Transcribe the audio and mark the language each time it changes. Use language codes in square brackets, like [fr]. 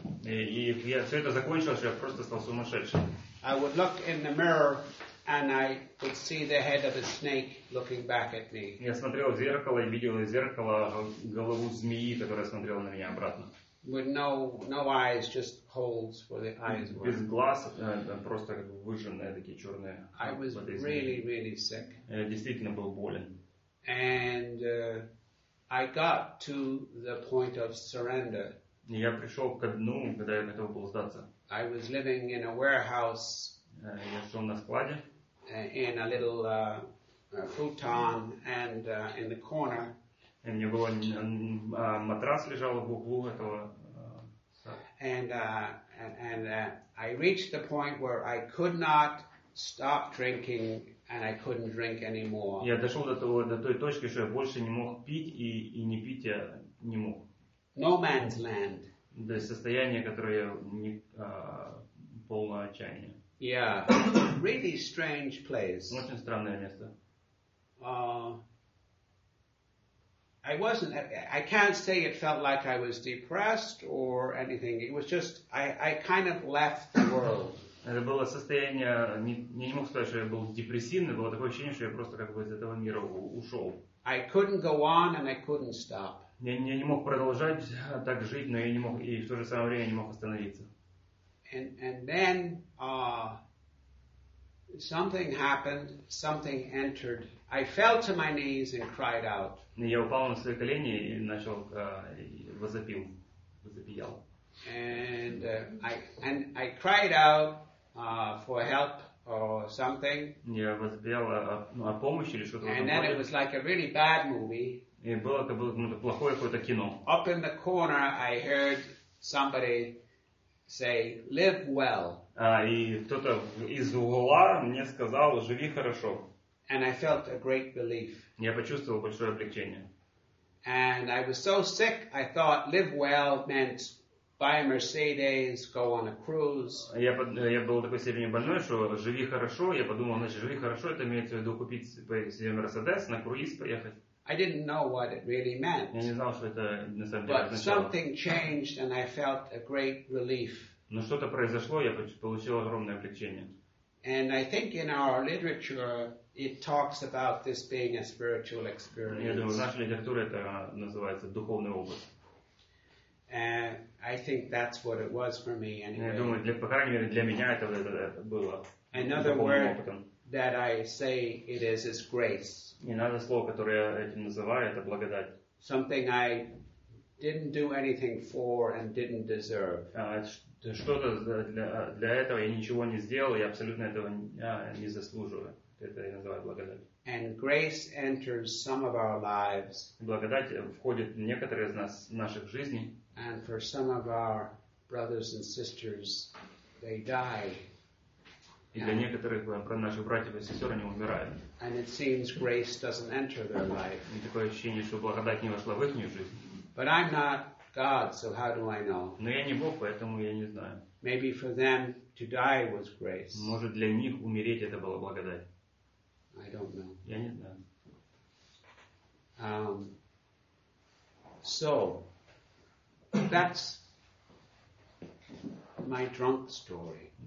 [ru] И все это закончилось, я просто стал сумасшедшим. [en] I would look in the mirror and I would see the head of a snake looking back at me. [ru] Я смотрел в зеркало и видел из зеркала голову змеи, которая смотрела на меня обратно. [en] With no eyes, just holes where the eyes were. [ru] Без глаз, просто выжженные такие черные. [en] I was really, really sick. [ru] Действительно был болен. [en] And I got to the point of surrender. [ru] Я пришел ко дну, когда я готов был сдаться. [en] I was living in a warehouse. [ru] Я жил на складе. [en] In a little futon and in the corner. [ru] И у меня был матрас лежал в углу этого. [en] And I reached the point where I could not stop drinking and I couldn't drink anymore. [ru] Я дошел до того, до той точки, что я больше не мог пить и не пить я не мог. [en] No man's land. [ru] До состояния, которое не полное отчаяние. [en] Yeah, really strange place. [ru] Очень странное место. [en] I can't say it felt like I was depressed or anything. It was just I kind of left the world. [ru] Это было состояние, не мог сказать, что я был депрессивный, было такое ощущение, что я просто как бы из этого мира ушел. [en] I couldn't go on and I couldn't stop. [ru] Я не мог продолжать так жить, но я не мог и в то же самое время не мог остановиться. [en] And then something happened, something entered. I fell to my knees and cried out. [ru] Я упал на свои колени и начал возопиял. [en] And I cried out for help or something. [ru] Я возопиял о помощи или что-то. [en] And then it was like a really bad movie. [ru] И было как бы плохое какое-то кино. [en] Up in the corner, I heard somebody say, "Live well." [ru] И кто-то из угла мне сказал, "Живи хорошо." [en] And I felt a great relief. [ru] Я почувствовал большое облегчение. [en] And I was so sick, I thought live well meant buy a Mercedes, go on a cruise. [ru] Я был такой степени больной, что живи хорошо. Я подумал, значит, живи хорошо, это имеется в виду купить себе Mercedes, на круиз поехать. [en] I didn't know what it really meant. [ru] Я не знал, что это на самом деле означало. [en] But something changed and I felt a great relief. [ru] Но что-то произошло, я получил огромное облегчение. [en] And I think in our literature it talks about this being a spiritual experience. [ru] Я думаю, в нашей литературе это называется духовный опыт. [en] I think that's what it was for me anyway. [ru] Я думаю, по крайней мере, для меня это было. [en] Another word that I say it is grace. [ru] И [en] another [ru] слово, которое я этим называю, это благодать. [en] Something I didn't do anything for and didn't deserve. [ru] Что-то для этого я ничего не сделал, я абсолютно этого не заслуживаю. Это я называю благодать. [en] And grace enters some of our lives. [ru] Благодать входит в некоторые из нас, в наших жизней. [en] And for some of our brothers and sisters, they die. [ru] И для некоторых наших братьев и сестер они умирают. [en] And it seems grace doesn't enter their life. [ru] И такое ощущение, что благодать не вошла в их жизнь. [en] But I'm not God, so how do I know? [ru] Но я не Бог, поэтому я не знаю. [en] Maybe for them to die was grace. [ru] Может, для них умереть это была благодать. [en] I don't know. [ru] Я не знаю. [en] So that's my drunk story.